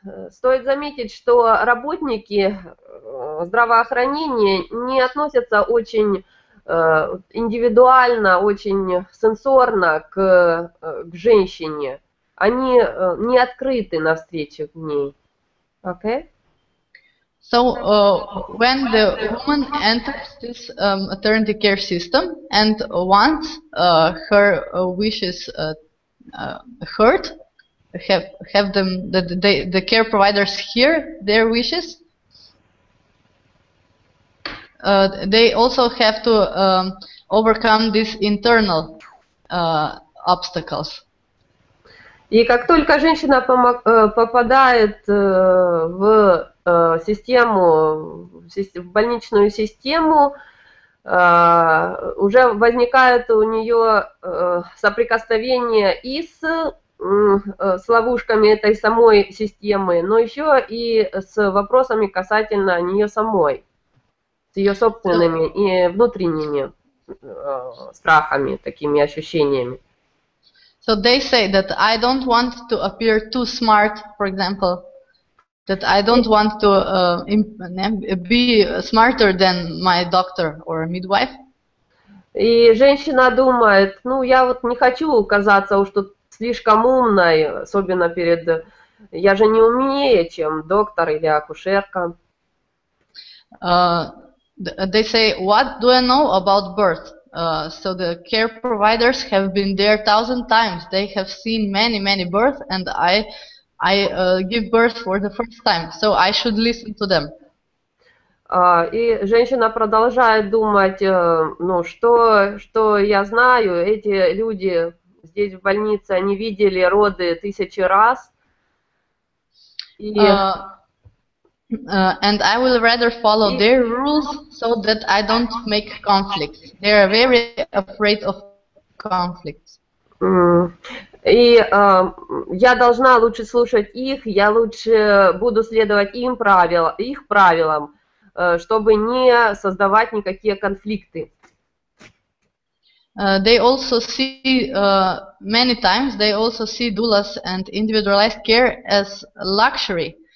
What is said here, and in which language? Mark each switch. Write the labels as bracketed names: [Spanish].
[Russian] Стоит заметить, что работники здравоохранения не относятся очень индивидуально, очень сенсорно к женщине. Они не открыты навстречу к ней. [English] Okay. So when the woman enters this maternity care system and wants her wishes heard, have them that the care providers hear their wishes, they also have to overcome these internal obstacles. [Russian] И как только женщина попадает в систему, в больничную систему, уже возникает у нее соприкосновение и с ловушками этой самой системы, но еще и с вопросами касательно нее самой, с ее собственными и внутренними страхами, такими ощущениями. [English] So they say that I don't want to appear too smart, for example. That I don't want to be smarter than my doctor or midwife. [Russian] И женщина думает, ну я вот не хочу казаться уж тут слишком умной, особенно перед, я же не умнее, чем доктор или акушерка. [English] They say, what do I know about birth? So the care providers have been there 1,000 times. They have seen many, many births, and I give birth for the first time. So I should listen to them. [Russian] И женщина продолжает думать, ну что я знаю, эти люди здесь в больнице, они видели роды 1000 раз. [English] And I will rather follow their rules so that I don't make conflicts. They are very afraid of conflicts. [Russian] И я должна лучше слушать их, я лучше буду следовать им правилам, их правилам, чтобы не создавать никакие конфликты. [English] They also see many times they also see doulas and individualized care as luxury.